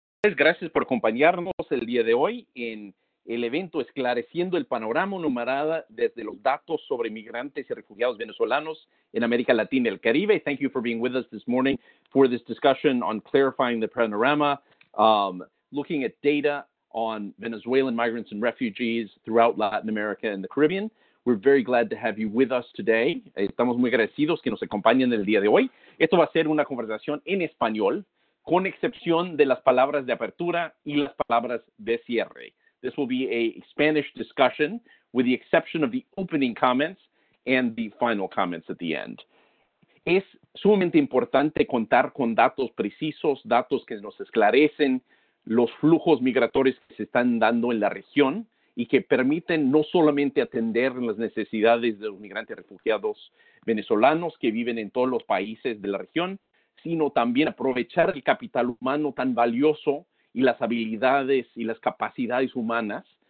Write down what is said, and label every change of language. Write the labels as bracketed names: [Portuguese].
[Spanish] Gracias por acompañarnos el día de hoy en el evento Esclareciendo el Panorama Numerada desde los datos sobre migrantes y refugiados venezolanos en América Latina y el Caribe. [English] Thank you for being with us this morning for this discussion on clarifying the panorama, looking at data on Venezuelan migrants and refugees throughout Latin America and the Caribbean. We're very glad to have you with us today. [Spanish] Estamos muy agradecidos que nos acompañen el día de hoy. Esto va a ser una conversación en español, con excepción de las palabras de apertura y las palabras de cierre. [English] This will be a Spanish discussion with the exception of the opening comments and the final comments at the end. [Spanish] Es sumamente importante contar con datos precisos, datos que nos esclarecen los flujos migratorios que se están dando en la región y que permiten no solamente atender las necesidades de los migrantes refugiados venezolanos que viven en todos los países de la región, sino también aprovechar el capital humano tan valioso y las habilidades y las capacidades humanas